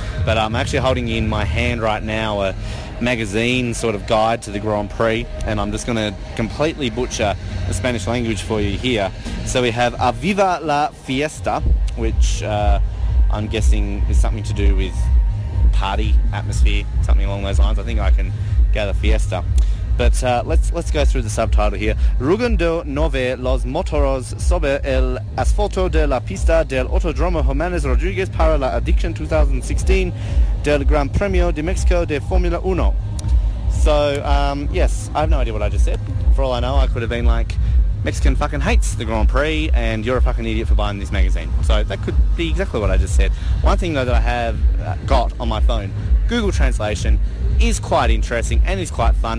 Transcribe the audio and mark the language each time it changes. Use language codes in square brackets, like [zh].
[en] But I'm actually holding in my hand right now a magazine sort of guide to the Grand Prix, and I'm just going to completely butcher the Spanish language for you here. So we have a Viva la Fiesta, which I'm guessing is something to do with party atmosphere, something along those lines. I think I can gather Fiesta. But let's go through the subtitle here. [es] Rugendo nove los motoros sobre el asfalto de la pista del Autódromo Hermanos Rodríguez para la edición 2016 del Gran Premio de México de Fórmula 1. [en] So, yes, I have no idea what I just said. For all I know, I could have been like, Mexican fucking hates the Grand Prix and you're a fucking idiot for buying this magazine. So that could be exactly what I just said. One thing, though, that I have got on my phone, Google Translation, is quite interesting and is quite fun.